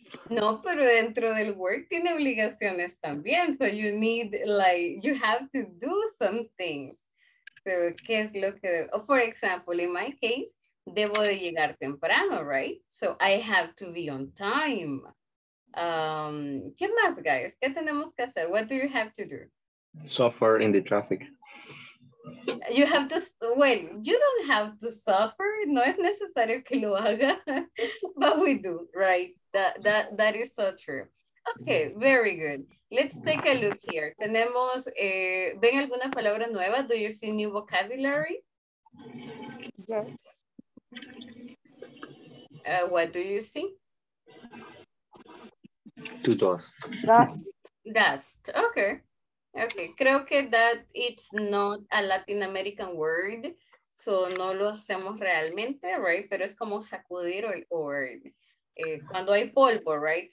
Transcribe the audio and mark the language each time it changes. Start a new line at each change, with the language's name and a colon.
Spanish: No, pero dentro del work tiene obligaciones también.
English: So you need, like, you have to do some things. So,
Spanish: ¿qué es lo que?
English: Oh, for example, in my case,
Spanish: debo de llegar temprano,
English: right? So I have to be on time.
Spanish: ¿Qué más, guys? ¿Qué tenemos que hacer?
English: What do you have to do? Suffer in the traffic. You have to, well, you don't have to suffer.
Spanish: No es necesario que lo haga,
English: but we do,
Spanish: right?
English: That is so true. Okay, very good. Let's take a look here.
Spanish: Tenemos, ¿ven alguna palabra nueva?
English: Do you see new vocabulary? Yes. What do you see? to dust. Dust. Dust. Okay. Okay.
Spanish: Creo que
English: that it's not a Latin American word.
Spanish: So no lo hacemos realmente, right? Pero es como sacudir or cuando hay polvo, right?